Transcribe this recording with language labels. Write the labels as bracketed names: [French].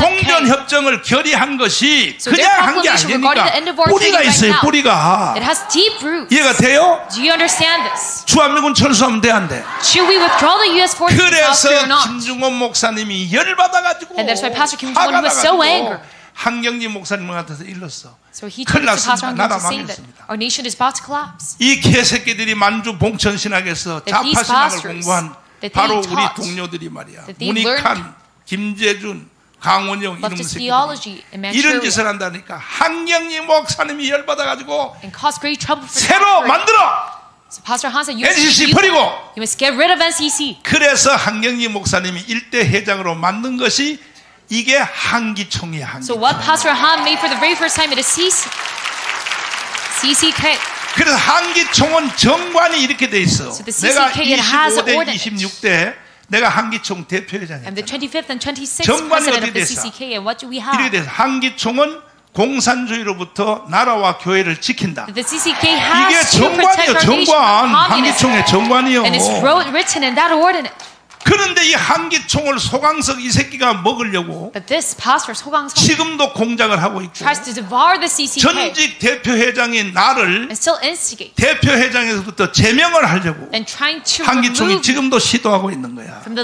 [Korean] 이번에 종전 협정을 결의한 것이 그냥 한 게 아니니까 뿌리가 있어요. 뿌리가. [English] It has deep roots. [Korean] 이해가 돼요? [English] Do you understand this? [Korean] 주한미군 철수하면 돼 안 돼? [English] Should we withdraw the U.S. forces? [Korean] 그래서 김중원 목사님이 열 받아가지고. [English] And that's why Pastor Kim Jong-un was so angry. [Korean] 한경진 목사님한테서 일렀어. [English] So he told the pastor on to say that our nation is about to collapse. [Korean] 이 개새끼들이 만주 봉천신학에서 좌파 신학을 공부한 바로 우리 동료들이 말이야. 문익환, 김재준, 강원영 이런 새끼들 이런 짓을 한다니까 한경진 목사님이 열 받아가지고 새로 만들어. [English] So Pastor Hans said, [Korean] "NCC 버리고. [English] You must get rid of NCC." [Korean] 그래서 한경진 목사님이 일대 회장으로 만든 것이 이게 한기총이야, 한기총. [English] So what Pastor Han made for the very first time, it is CCK. [Korean] 그래서 한기총은 정관이 이렇게 돼 있어. [English] So the CCK, it has an ordinance. [Korean] 내가 25대, 26대 내가 한기총 대표회장이야. [English] And the 25th and 26th president of the CCK, and what do we have? [Korean] 이렇게 돼 있어. 한기총은 공산주의로부터 나라와 교회를 지킨다. [English] The CCK has [Korean] 이게 정관이야, 정관. 한기총의 정관이요. [English] And it's written in that ordinance. [Korean] 그런데 이 한기총을 소강석 이 새끼가 먹으려고 지금도 공작을 하고 있고 전직 대표회장인 나를 대표회장에서부터 제명을 하려고 한기총이 지금도 시도하고 있는 거야.